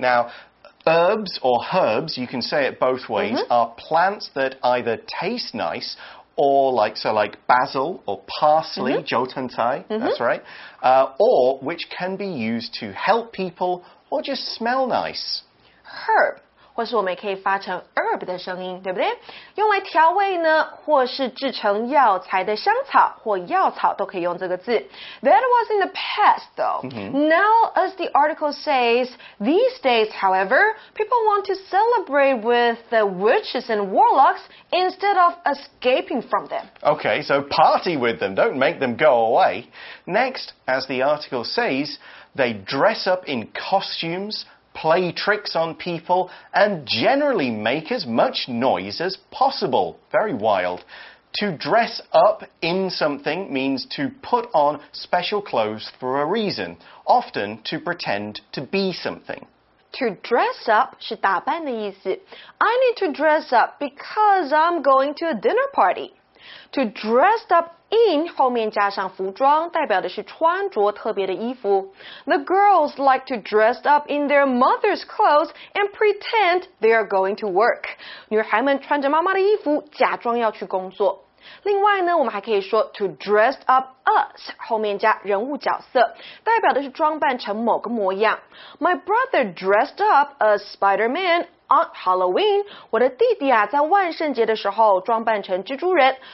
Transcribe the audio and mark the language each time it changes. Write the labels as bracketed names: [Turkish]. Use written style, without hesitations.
[English] Now,herbs or herbs, you can say it both ways,are plants that either taste nice,or like basil or parsley, jiǒtēncài, that's right,or which can be used to help people or just smell nice. [Chinese] Herb, 或是我们可以发成 herb 的声音，对不对？用来调味呢，或是制成药材的香草或药草都可以用这个字。 [English] That was in the past, though. Now, as the article says, these days, however, people want to celebrate with the witches and warlocks instead of escaping from them. Okay, so party with them. Don't make them go away. Next, as the article says, they dress up in costumes,play tricks on people, and generally make as much noise as possible. Very wild. To dress up in something means to put on special clothes for a reason, often to pretend to be something. To dress up [Chinese] 是打扮的意思。 [English] I need to dress up because I'm going to a dinner party. [Chinese] To dress up in 后面加上服装代表的是穿着特别的衣服。 [English] The girls like to dress up in their mother's clothes and pretend they are going to work. [Chinese] 女孩们穿着妈妈的衣服假装要去工作。另外呢，我们还可以说 [English] to dress up us [Chinese] 后面加人物角色，代表的是装扮成某个模样。 [English] My brother dressed up as Spider-Man on Halloween. [Chinese] 我的弟弟啊，在万圣节的时候装扮成蜘蛛人。